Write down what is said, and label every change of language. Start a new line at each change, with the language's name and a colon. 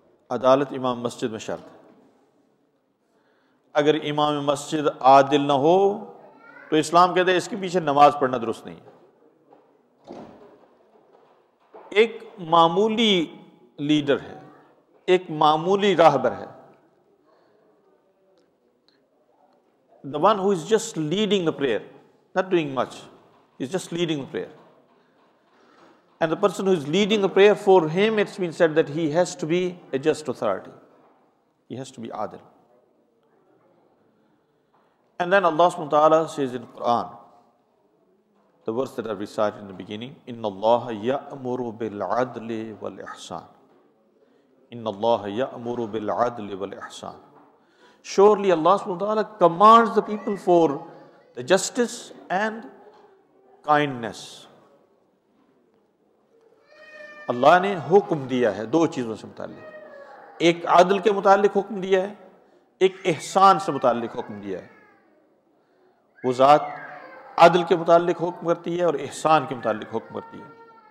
Urdu: عدالت امام مسجد میں شرط ہے. اگر امام مسجد عادل نہ ہو تو اسلام کہتا ہے اس کے پیچھے نماز پڑھنا درست نہیں ہے. ایک معمولی لیڈر ہے، ایک معمولی راہبر ہے.
English: The one who is just leading the prayer, not doing much, is just leading the prayer. And the person who is leading the prayer, for him it's been said that he has to be a just authority. He has to be adil. And then Allah subhanahu wa ta'ala says in Quran, the verse that I recited in the beginning,
Arabic: إِنَّ اللَّهَ يَأْمُرُ بِالْعَدْلِ وَالْإِحْسَانِ
English: إِنَّ اللَّهَ يَأْمُرُ بِالْعَدْلِ وَالْإِحْسَانِ. Surely Allah subhanahu wa ta'ala commands the people for the justice and kindness.
Urdu: اللہ نے حکم دیا ہے دو چیزوں سے متعلق، ایک عدل کے متعلق حکم دیا ہے، ایک احسان سے متعلق حکم دیا ہے. وہ ذات عدل کے متعلق حکم کرتی ہے اور احسان کے متعلق حکم کرتی ہے.